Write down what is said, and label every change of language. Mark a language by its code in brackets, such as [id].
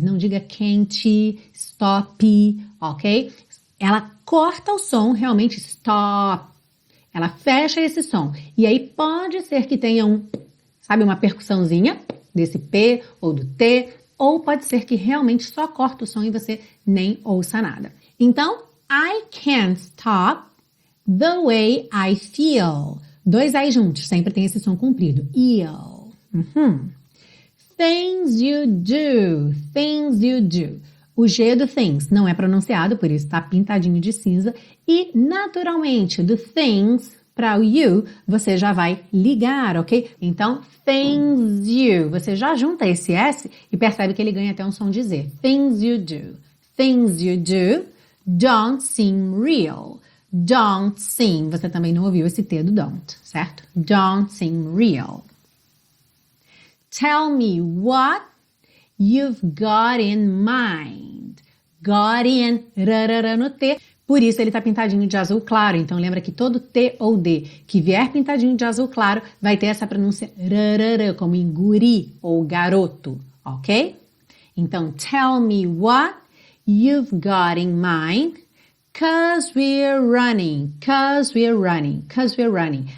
[pt] Não diga can't, stop, ok? Ela corta o som, realmente, stop. Ela fecha esse som. E aí pode ser que tenha um, sabe, uma percussãozinha desse P ou do T. Ou pode ser que realmente só corta o som e você nem ouça nada. [en] Então, I can't stop the way I feel. [pt] Dois I juntos, sempre tem esse som comprido. Eel. Uhum. [en] Things you do, things you do. [pt] O G do things não é pronunciado, por isso está pintadinho de cinza. E naturalmente, do things para o you, você já vai ligar, ok? Então, [en] things you. [pt] Você já junta esse S e percebe que ele ganha até um som de Z. [en] Things you do. Things you do don't seem real. Don't seem, [pt] você também não ouviu esse T do don't, certo? [en] Don't seem real. Tell me what you've got in mind. Got in, [pt] rarara no T. Por isso ele está pintadinho de azul claro. Então lembra que todo T ou D que vier pintadinho de azul claro vai ter essa pronúncia rarara, como em guri ou garoto, ok? [en] Então, tell me what you've got in mind. Cause we're running, cause we're running, cause we're running.